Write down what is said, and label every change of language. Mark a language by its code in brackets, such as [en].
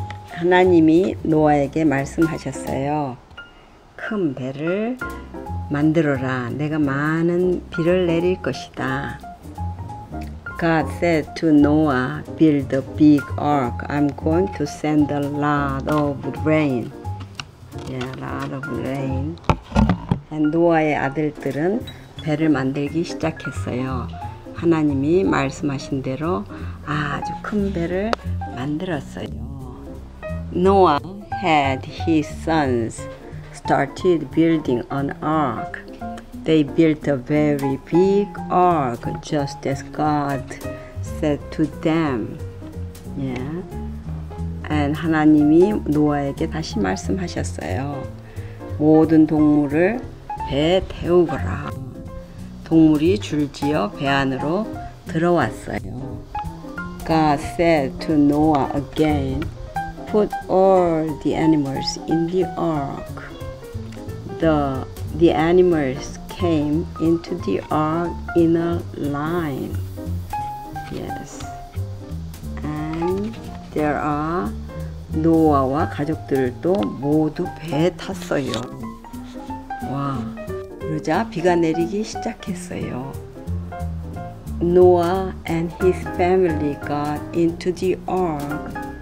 [ko] 하나님이 노아에게 말씀하셨어요. 큰 배를 만들어라. 내가 많은 비를 내릴 것이다. [en] God said to Noah, build a big ark. I'm going to send a lot of rain. Yeah, a lot of rain. And Noah의 [ko] 아들들은 배를 만들기 시작했어요. 하나님이 말씀하신 대로 아주 큰 배를 만들었어요. [en] Noah had his sons started building an ark. They built a very big ark, just as God said to them. Yeah. [ko] And 하나님이 노아에게 다시 말씀하셨어요. 모든 동물을 배에 태우거라. 동물이 줄지어 배 안으로 들어왔어요. [en] God said to Noah again, put all the animals in the ark. The animals came into the ark in a line. Yes. And there are [ko] Noah와 가족들도 모두 배에 탔어요. 와, 그러자 비가 내리기 시작했어요. [en] Noah and his family got into the ark.